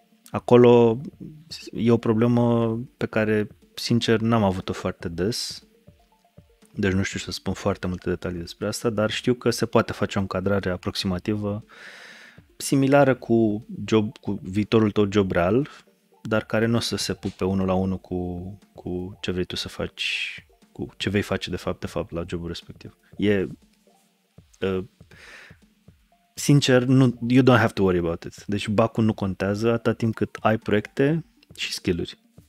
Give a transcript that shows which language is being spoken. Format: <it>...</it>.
<ro>Acolo e o problemă pe care, sincer, n-am avut-o foarte des, deci nu știu să spun foarte multe detalii despre asta, dar știu că se poate face o încadrare aproximativă similară cu job, cu viitorul tău job real, dar care nu o să se pupe unul la unul cu ce vrei tu să faci, cu ce vei face de fapt la jobul respectiv. Sincer, nu,</ro> <en>you don't have to worry about it.</en> <ro>Deci bac-ul nu contează atât timp cât ai proiecte și skill-uri.</ro>